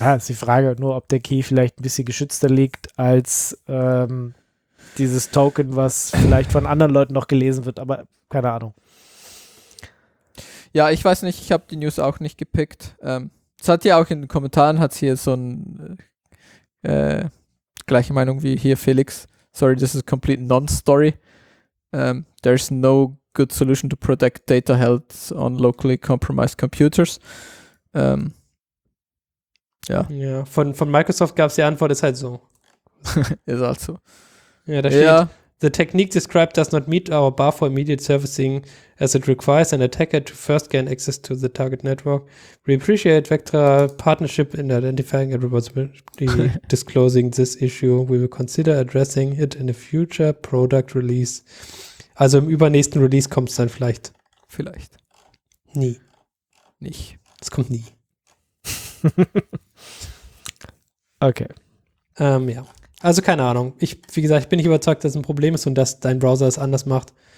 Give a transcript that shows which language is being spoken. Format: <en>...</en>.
<de>Ja, ist die Frage nur, ob der Key vielleicht ein bisschen geschützter liegt als dieses Token, was vielleicht von anderen Leuten noch gelesen wird, aber keine Ahnung. Ja, ich weiß nicht, ich habe die News auch nicht gepickt. Es hat ja auch in den Kommentaren, hat es hier so ein gleiche Meinung wie hier Felix.</de> <en>Sorry, this is a complete non-story. There's no good solution to protect data held on locally compromised computers.</en> <de>Ja, von Microsoft gab es die Antwort, ist halt so. Ist halt so. Ja, da steht,</de> <en>the technique described does not meet our bar for immediate servicing as it requires an attacker to first gain access to the target network. We appreciate Vectra partnership in identifying and responsibly disclosing this issue. We will consider addressing it in a future product release.</en> <de>Also im übernächsten Release kommt es dann vielleicht. Vielleicht. Nie. Nicht. Es kommt nie. Okay. Ja. Also keine Ahnung. Wie gesagt, ich bin nicht überzeugt, dass es ein Problem ist und dass dein Browser es anders macht.</de>